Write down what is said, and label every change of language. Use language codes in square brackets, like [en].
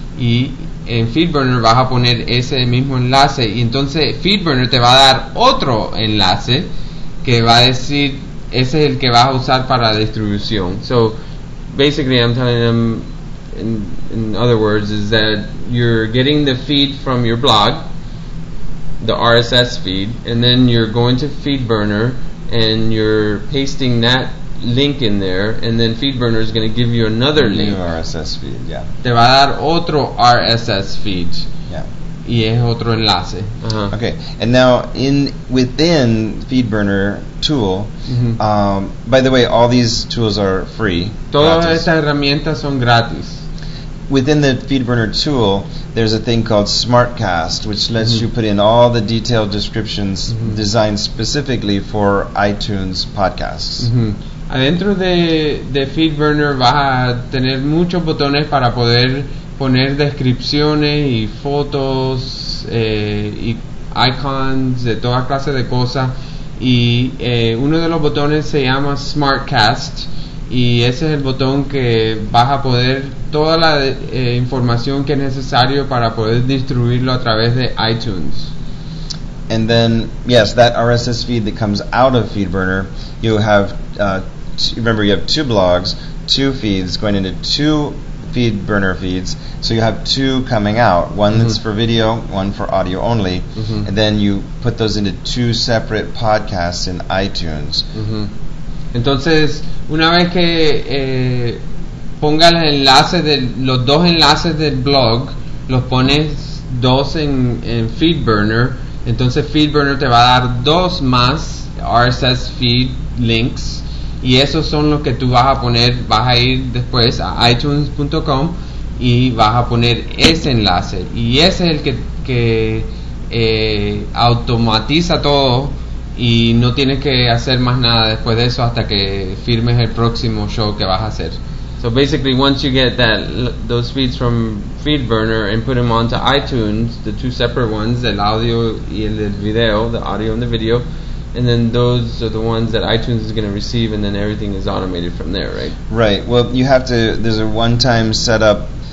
[es] Y en FeedBurner vas a poner ese mismo enlace, y entonces FeedBurner te va a dar otro enlace que va a decir ese es el que vas a usar para la distribución. [en] So basically I'm telling them, in other words, is that you're getting the feed from your blog, the RSS feed, and then you're going to FeedBurner and you're pasting that link in there, and then FeedBurner is going to give you another link. New RSS feed, yeah. [es] Te va a dar otro RSS feed. [en] Yeah. [es] Y es otro enlace. Uh-huh. [en] Okay. And now within FeedBurner tool, by the way, all these tools are free. [es] Todas estas herramientas son gratis. [en] Within the FeedBurner tool, there's a thing called SmartCast, which lets you put in all the detailed descriptions designed specifically for iTunes podcasts. [es] Adentro de FeedBurner vas a tener muchos botones para poder poner descripciones y fotos y icons de toda clase de cosas. Y uno de los botones se llama SmartCast, y ese es el botón que vas a poder toda la información que es necesario para poder distribuirlo a través de iTunes. [en] And then, yes, that RSS feed that comes out of FeedBurner, you have... remember, you have two blogs, two feeds going into two FeedBurner feeds, so you have two coming out, one that's for video, one for audio only, and then you put those into two separate podcasts in iTunes. [es] Entonces, una vez que pongas el enlace de los dos enlaces del blog, los pones dos en FeedBurner, entonces FeedBurner te va a dar dos más RSS feed links. Y esos son los que tú vas a poner, vas a ir después a iTunes.com y vas a poner ese enlace. Y ese es el que automatiza todo y no tienes que hacer más nada después de eso hasta que firmes el próximo show que vas a hacer. [en] So basically once you get those feeds from FeedBurner and put them onto iTunes, the two separate ones, [es] el audio y el video, [en] the audio and the video, and then those are the ones that iTunes is going to receive, and then everything is automated from there, right? Right. Well, you have to, there's a one-time setup.